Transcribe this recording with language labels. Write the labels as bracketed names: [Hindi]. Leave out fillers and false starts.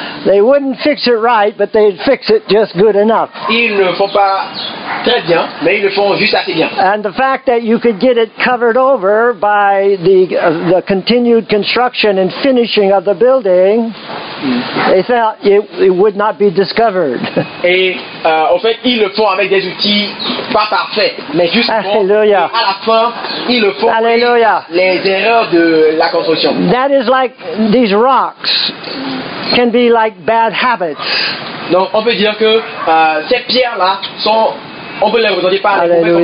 [English] They wouldn't fix it right, but they'd fix it just good enough. [French] Ils ne font pas très bien, mais ils le font juste assez bien. [English] And the fact that you could get it covered over by the continued construction and finishing of the building, they thought it would not be discovered. [French] Et en fait, ils le font avec des outils pas parfaits, mais juste [English] hallelujah. [French] À la fin, ils le font [English] hallelujah. [French] Les erreurs de la construction. [English] That is like these rocks can be like bad habits. [French] Donc on peut dire que ces pierres là sont on peut les représenter par les mauvais